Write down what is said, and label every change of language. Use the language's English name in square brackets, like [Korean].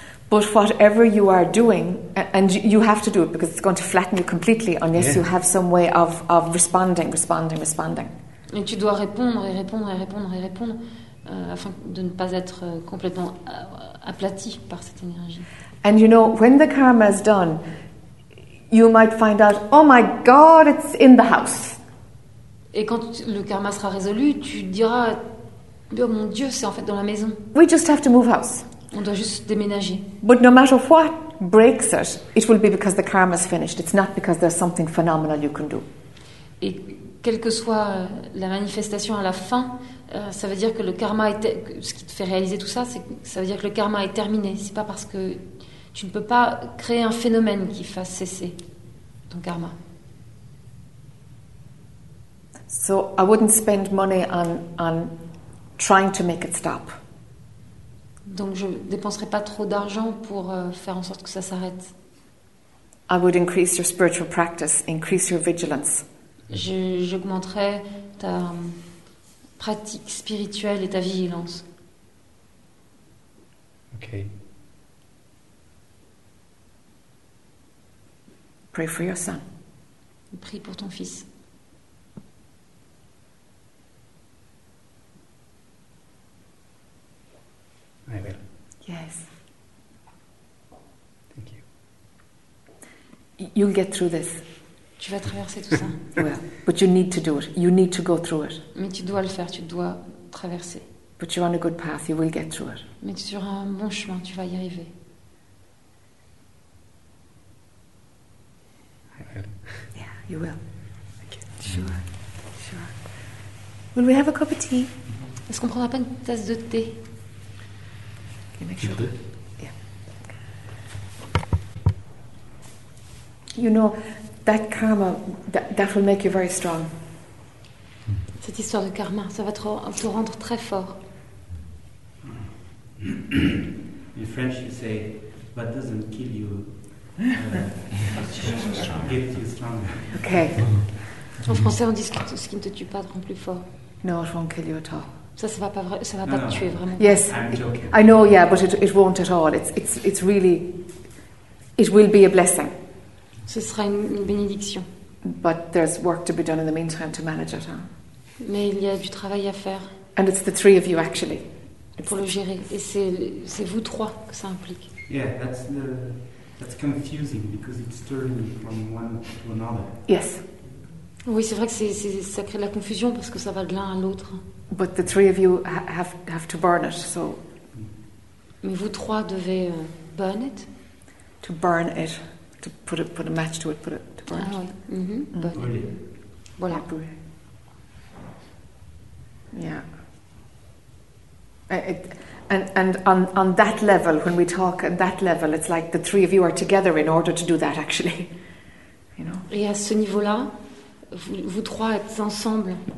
[English] But whatever you are doing, and you have to do it because it's going to flatten you completely unless you have some way of responding. [French] Et tu dois répondre et répondre et répondre et répondre afin de ne pas être complètement aplati par cette énergie. [English] And you know, when the karma is done, you might find out, oh my God, it's in the house. [French] Et quand le karma sera résolu, tu diras, oh mon Dieu, c'est en fait dans la maison. [English] We just have to move house. [French] On doit juste déménager. [English] But no matter what breaks it, it will be because the karma is finished. It's not because there's something phenomenal you can do. [French] Et quelle que soit la manifestation à la fin, ça veut dire que le karma est ce qui te fait réaliser tout ça, c'est ça veut dire que le karma est terminé. C'est pas parce que tu ne peux pas créer un phénomène qui fasse cesser ton karma. [English] So I wouldn't spend money on trying to make it stop. [French] Donc je dépenserai pas trop d'argent pour faire en sorte que ça s'arrête. [English] I would increase your spiritual practice, increase your vigilance. [French] J'augmenterai ta pratique spirituelle et ta vigilance. [English] OK. Pray for your son. [French] Prie pour ton fils. [English] I will. Yes. Thank you. You'll get through this. [French] Tu vas traverser tout ça. [English] Well, but you need to do it. You need to go through it. [French] Mais tu dois le faire, tu dois traverser. [English] But you're on a good path, you will get through it. [French] Mais tu es sur un bon chemin, tu vas y arriver. [English] I will. Yeah, you will. Thank you. Sure. Will we have a cup of tea? Mm-hmm. [French] Est-ce qu'on prendra pas une tasse de thé? [English] Yeah. You know, that karma, that will make you very strong. [French] Cette histoire de karma, ça va te rendre très fort. [English] In French, you say, what doesn't kill you, gives you stronger. Okay. [French] En français, on dit ce qui ne te tue pas te rend plus fort. [English] No, it won't kill you at all. [French] Ça va pas tuer vraiment. [English] Yes, I know. Yeah, but it won't at all. It's really, it will be a blessing. [French] Ce sera une bénédiction. [English] But there's work to be done in the meantime to manage it. Huh? [French] Mais il y a du travail à faire. [English] And it's the three of you actually. [French] Pour le gérer, et c'est vous trois que ça implique. [English] Yeah, that's confusing because it's turning from one to another. Yes. [French] Oui, c'est vrai que ça crée de la confusion parce que ça va de l'un à l'autre. [English] But the three of you have to burn it, so. [French] Mais vous trois devez [English] burn it. To burn it, to put a match to it, to burn it. [French] Ah oui. Mm-hmm. Burn. Brûler. Voilà. [English] Yeah. And on that level, when we talk at that level, it's like the three of you are together in order to do that. Actually, you know. [French] Et à ce niveau-là, vous trois êtes ensemble.